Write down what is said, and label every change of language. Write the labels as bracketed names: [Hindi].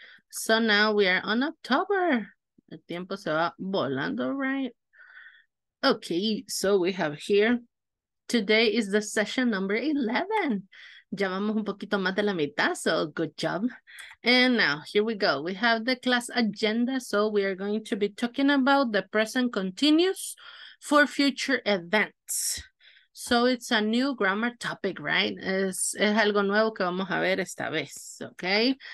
[English] So now we are on October. [Spanish] El tiempo se va volando, [English] right? Ok, so we have here. Today is the session number 11. [Spanish] Ya vamos un poquito más de la mitad, [English] so good job. And now, here we go. We have the class agenda, so we are going to be talking about the present continuous for future events. So it's a new grammar topic, right? [Spanish] Es algo nuevo que vamos a ver esta vez, okay?